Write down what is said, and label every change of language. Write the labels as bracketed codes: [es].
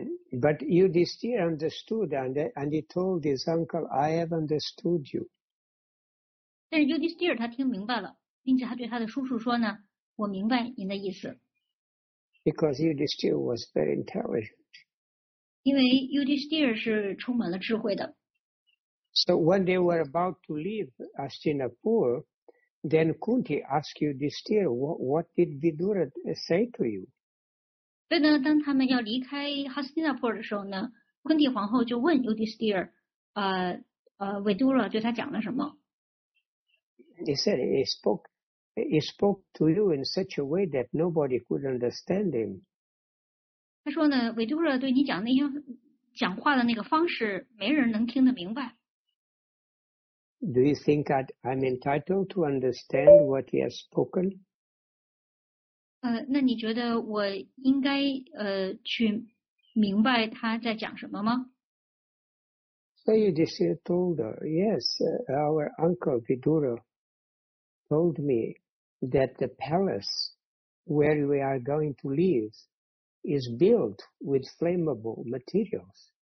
[en] But Yudhishthira understood and he told his uncle, I have understood you. [zh] 但是 Yudhishthira 他听明白了，并且他对他的叔叔说呢，我明白您的意思。 [en] Because Yudhishthira was very intelligent. [zh] 因为 Yudhishthira 是充满了智慧的。 [en] So when they were about to leave Hastinapur, then Kunti asked Yudhishthira, what did Vidura say to you? [zh] 所以呢，当他们要离开 Hastinapur 的时候呢，昆蒂皇后就问 Yudhishthira, Vidura 对他讲了什么？ [en] He said he spoke to you in such a way that nobody could understand him. [zh] 他说呢，维杜拉对你讲那些讲话的那个方式，没人能听得明白。 [en] Do you think that I'm entitled to understand what he has spoken? [zh] 那你觉得我应该去明白他在讲什么吗？ [en] So you just told her, yes, our uncle Vidura told me that the palace where we are going to live is built with flammable materials.